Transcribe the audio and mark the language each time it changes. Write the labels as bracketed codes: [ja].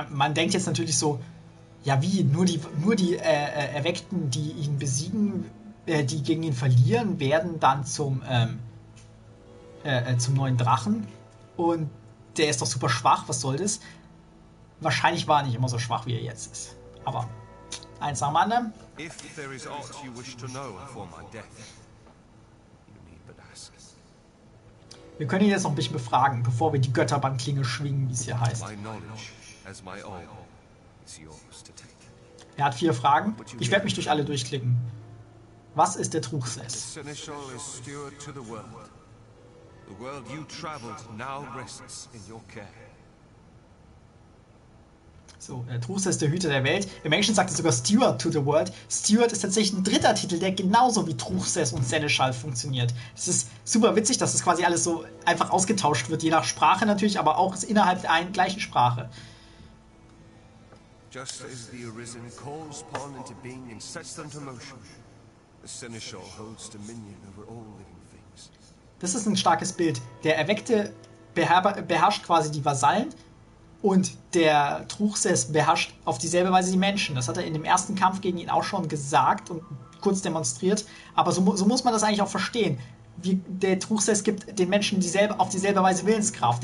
[de] Man denkt jetzt natürlich so, ja wie, nur die Erweckten, die ihn besiegen, die gegen ihn verlieren, werden dann zum neuen Drachen. Und der ist doch super schwach, was soll das? Wahrscheinlich war er nicht immer so schwach, wie er jetzt ist. Aber eins nach dem anderen. [en] If there is aught you wish to know before my death, you need but ask. [de] Wir können ihn jetzt noch ein bisschen befragen, bevor wir die Götterbandklinge schwingen, wie es hier heißt. [en] My knowledge as my own is yours to take. [de] Er hat vier Fragen. Ich werde mich durch alle durchklicken. Was ist der Truchsess? [en] The Seneschal is steward to the world. The world you traveled now rests in your care. [de] So, Truth ist der Hüter der Welt. Im Englischen sagt er sogar [en] Steward to the World. [de] Steward ist tatsächlich ein dritter Titel, der genauso wie Truchsess und Seneschal funktioniert. Es ist super witzig, dass das quasi alles so einfach ausgetauscht wird, je nach Sprache natürlich, aber auch innerhalb der einen gleichen Sprache. [en] Just as the Arisen calls Pawn into being and sets them to motion, the Seneschal holds dominion over all living things. [de] Das ist ein starkes Bild. Der Erweckte beherrscht quasi die Vasallen. Und der Truchsess beherrscht auf dieselbe Weise die Menschen. Das hat er in dem ersten Kampf gegen ihn auch schon gesagt und kurz demonstriert. Aber so muss man das eigentlich auch verstehen. Der Truchsess gibt den Menschen auf dieselbe Weise Willenskraft.